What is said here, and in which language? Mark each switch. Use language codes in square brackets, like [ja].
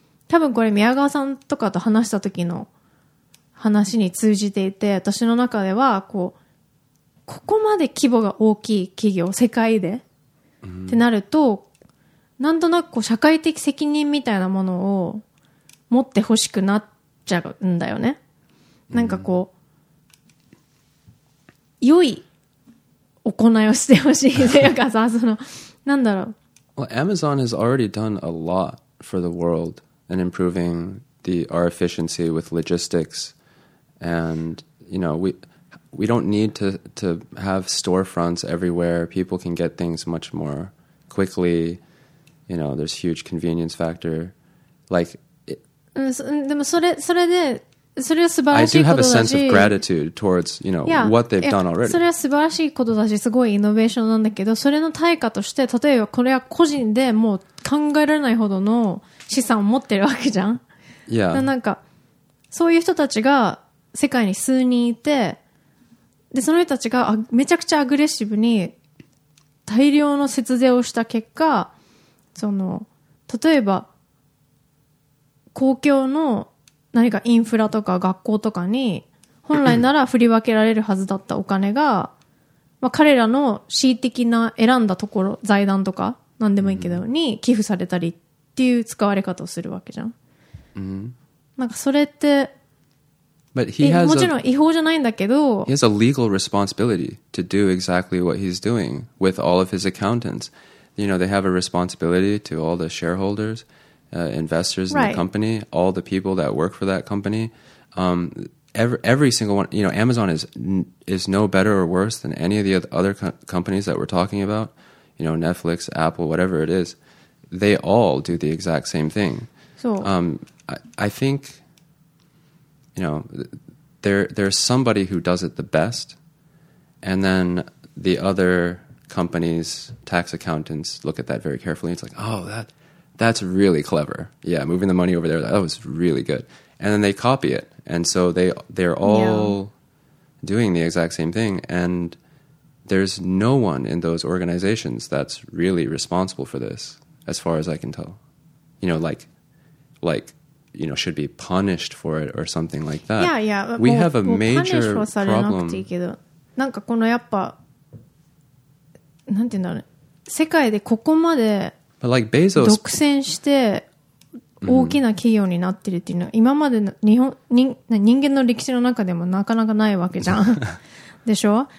[ja] 多分これ宮川さんとかと話した時の話に通じていて、私の中ではこうここまで規模が大きい企業世界で、ってなるとなんとなくこう社会的責任みたいなものを持ってほしくなっちゃうんだよね。なんかこう良い行いをしてほしいというかさ、そのなんだろう。 [en] Well, Amazon has already done a lot for the world. And improving our efficiency with logistics, and you know we don't need to have storefronts everywhere. People can get things much more quickly. You know, there's huge convenience factor. Like, I do have a sense of gratitude towards you know what they've done already. [ja] それは素晴らしいことだし、すごいイノベーションなんだけど、それの対価として、例えばこれは個人でもう考えられないほどの資産を持ってるわけじゃん。 [en] Yeah. [ja] なんかそういう人たちが世界に数人いて、でその人たちがめちゃくちゃアグレッシブに大量の節税をした結果、その例えば公共の何かインフラとか学校とかに本来なら振り分けられるはずだったお金が、まあ彼らの恣意的な選んだところ財団とか何でもいいけどに寄付されたり。っていう使われ方をするわけじゃん。 Mm-hmm. なんかそれって、 [en] But he has [ja] もちろん違法じゃないんだけど、 [en] He has a legal responsibility to do exactly what he's doing with all of his accountants. You know, they have a responsibility to all the shareholders, investors in the company, all the people that work for that company. Every single one, you know, Amazon is no better or worse than any of the other companies that we're talking about. You know, Netflix, Apple, whatever it is. They all do the exact same thing. So, I think, you know, there's somebody who does it the best, and then the other companies, tax accountants, look at that very carefully. It's like, oh, that's really clever. Yeah, moving the money over there, that was really good. And then they copy it. And so they're all doing the exact same thing. And there's no one in those organizations that's really responsible for this, as far as I can tell. You know, like, you know, should be punished for it or something like that. Yeah, yeah. We have a major problem. [ja] なんかこのやっぱ、なんて言うんだろうね。世界でここまで独占して大きな企業になってるっていうのは、今までの人間の歴史の中でもなかなかないわけじゃん。でしょ？